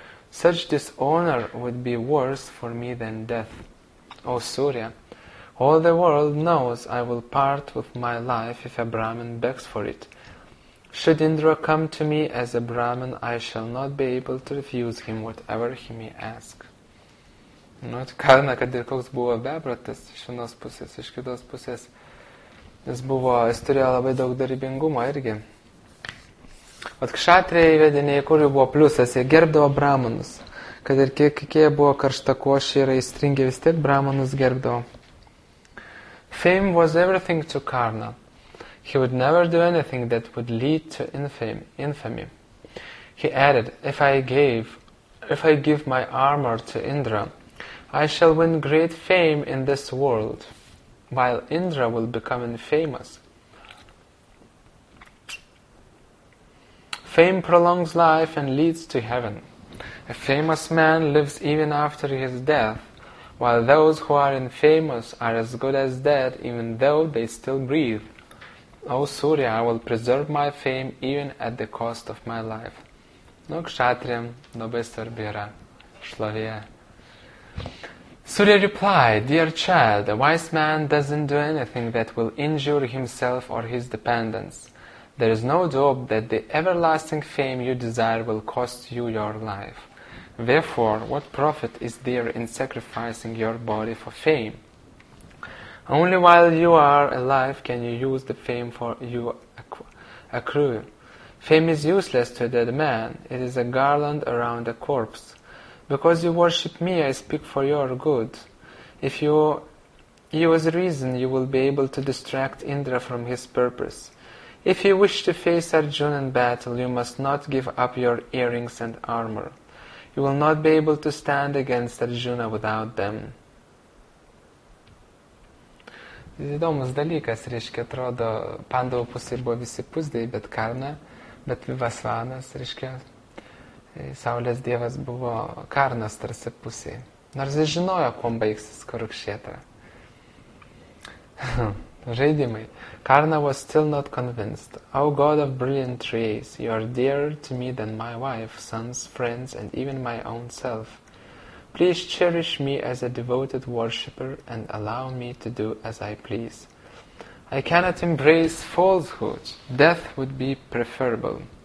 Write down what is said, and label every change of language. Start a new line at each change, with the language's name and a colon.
English: Such dishonor would be worse for me than death. O Surya, all the world knows I will part with my life if a Brahmin begs for it. Should Indra come to me as a Brahmin, I shall not be able to refuse him whatever he may ask.
Lithuanian: Nu, Karna, kad ir koks buvo bebratas iš vienos pusės, iš kitos pusės, jis turėjo labai daug darybingumo irgi. Vat kšatrijai vediniai, kur jau buvo pliusas, jie gerbdavo brahmanus. Kad ir kiek jie buvo karšta košė ir aistringi, vis tiek brahmanus gerbdavo.
English: Fame was everything to Karna. He would never do anything that would lead to infamy. He added, If I give my armor to Indra, I shall win great fame in this world, while Indra will become infamous. Fame prolongs life and leads to heaven. A famous man lives even after his death, while those who are infamous are as good as dead even though they still breathe. O Surya, I will preserve my fame even at the cost of my life.
Lithuanian: Nu, kšatriam, labai svarbi yra šlovė.
English: Surya replied, Dear child, a wise man doesn't do anything that will injure himself or his dependents. There is no doubt that the everlasting fame you desire will cost you your life. Therefore, what profit is there in sacrificing your body for fame? Only while you are alive can you use the fame for you accrue. Fame is useless to a dead man. It is a garland around a corpse. Because you worship me, I speak for your good. If you use reason, you will be able to distract Indra from his purpose. If you wish to face Arjuna in battle, you must not give up your earrings and armor. You will not be able to stand against Arjuna without them.
Lithuanian: Įdomus dalykas, reiškia, atrodo, Pandavų pusėje buvo visi pusdėjai, bet Karna, bet Vivasvanas, reiškia, Saulės dievas buvo Karnas tarsi pusėje. Nors jis žinojo, kuom baigsis Kurukšėtra. Žaidimai.
English: Karna was still not convinced. O God of brilliant trees, you are dearer to me than my wife, sons, friends, and even my own self. Please cherish me as a devoted worshipper and allow me to do as I please. I cannot embrace falsehood. Death would be preferable.